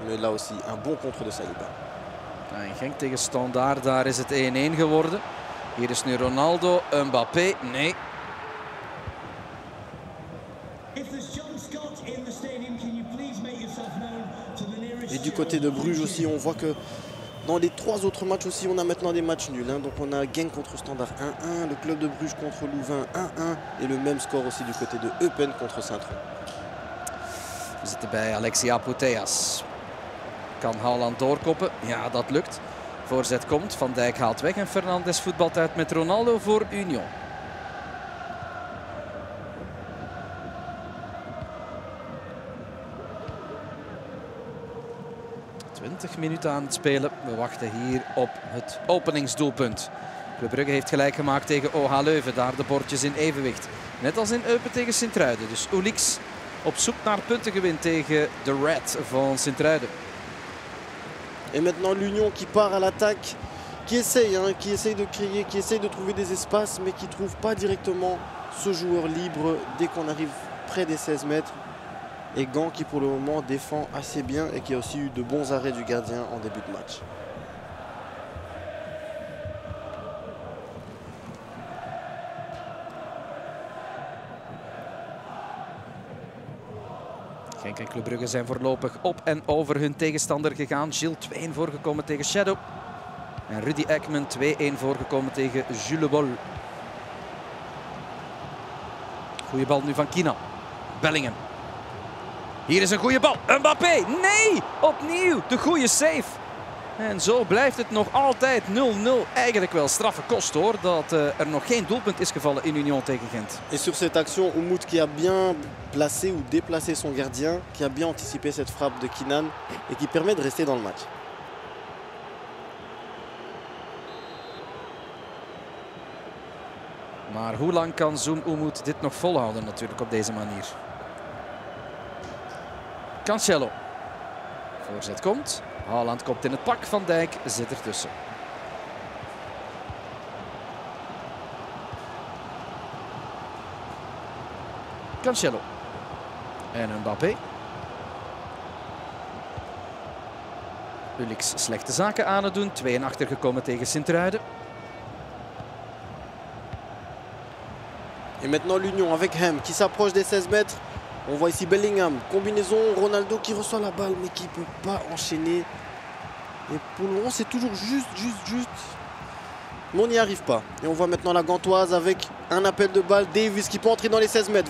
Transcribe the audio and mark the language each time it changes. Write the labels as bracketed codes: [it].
[fr] Mais là aussi un bon contre de Saliba. [nl] En Genk tegen Standard, daar is het 1-1 geworden. Hier is nu Ronaldo. Mbappé, nee. [fr] Et du côté de Bruges aussi, on voit que dans les trois autres matchs aussi, on a maintenant des matchs nuls. Hein. Donc on a Genk contre Standard 1-1, le club de Bruges contre Louvain 1-1. Et le même score aussi du côté de Eupen contre Saint-Truyen. Vous êtes [nl] bij Alexia Puteas. Kan Haaland doorkoppen? Ja, dat lukt. Voorzet komt, Van Dijk haalt weg. En Fernandes voetbalt uit met Ronaldo voor Union. Minuten aan het spelen. We wachten hier op het openingsdoelpunt. Club Brugge heeft gelijk gemaakt tegen OH Leuven. Daar de bordjes in evenwicht. Net als in Eupen tegen Sint-Truiden. Dus Ulix op zoek naar puntengewin tegen de Red van Sint-Truiden. [fr] En maintenant l'Union qui part à l'attaque, qui essaye de créer, qui essaye de trouver des espaces, mais qui trouve pas directement ce joueur libre dès qu'on arrive près des 16 mètres. Et Gant qui pour le moment défend assez bien et qui a aussi eu de bons arrêts du gardien en début de match. [nl] Genk en Club Brugge zijn voorlopig op en over hun tegenstander gegaan. Gilles 2-1 voorgekomen tegen Shadow. En Rudy Ekman 2-1 voorgekomen tegen Jules Bol. Goeie bal nu van Kina. Bellingham. Hier is een goede bal. Mbappé. Nee. Opnieuw. De goede save. En zo blijft het nog altijd 0-0. Eigenlijk wel straffe kost hoor. Dat er nog geen doelpunt is gevallen in Union tegen Gent. En op deze actie, [fr] Umut qui a bien placé ou déplacé son gardien. Qui a bien anticipé cette frappe de Kinan. Et qui permet de rester dans le match. [nl] Maar hoe lang kan Zoom Umut dit nog volhouden natuurlijk op deze manier? Cancelo. Voorzet komt. Haaland komt in het pak. Van Dijk zit ertussen. Cancelo. En Mbappé. Ulix slechte zaken aan het doen. 2-1 achtergekomen tegen Sint-Truiden. [fr] En maintenant l'Union avec hem qui s'approche des 16 mètres. On voit ici Bellingham, combinaison, Ronaldo qui reçoit la balle mais qui ne peut pas enchaîner. Et pour le moment c'est toujours juste. Mais on n'y arrive pas. Et on voit maintenant la Gantoise avec un appel de balle. Davis qui peut entrer dans les 16 mètres.